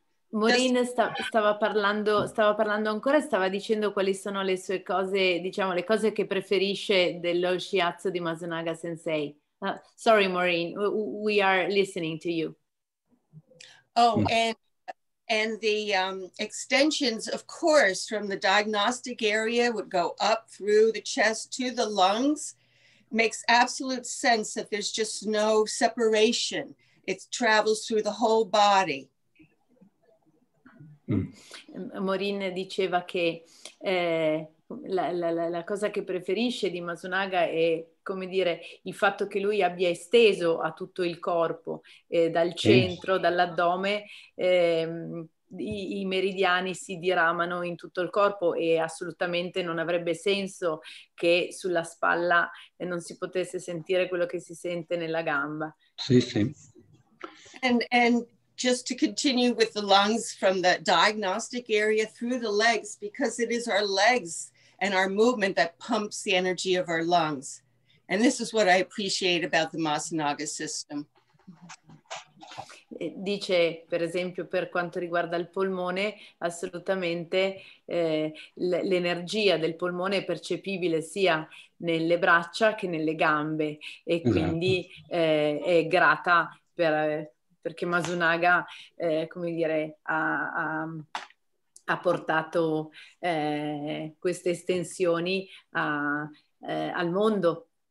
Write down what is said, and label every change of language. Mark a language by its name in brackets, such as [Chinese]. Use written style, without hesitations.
[Italian] Maureen stava parlando ancora e stava dicendo quali sono le sue cose, diciamo, le cose che preferisce dello shiatsu di Masanaga Sensei. [English] Sorry, Maureen, we are listening to you. And the extensions, of course, from the diagnostic area would go up through the chest to the lungs. Makes absolute sense that there's just no separation. It travels through the whole body. [Italian] Maureen diceva che la cosa che preferisce di Masanaga è, come dire, il fatto che lui abbia esteso a tutto il corpo, dal centro, dall'addome, i meridiani si diramano in tutto il corpo e assolutamente non avrebbe senso che sulla spalla non si potesse sentire quello che si sente nella gamba. Sì, sì. [English] And just to continue with the lungs from the diagnostic area through the legs, because it is our legs and our movement that pumps the energy of our lungs. And this is what I appreciate about the Masanaga system. [Italian] Dice, per esempio, per quanto riguarda il polmone, assolutamente l'energia del polmone è percepibile sia nelle braccia che nelle gambe e quindi è grata perché Masanaga, ha portato queste estensioni al mondo.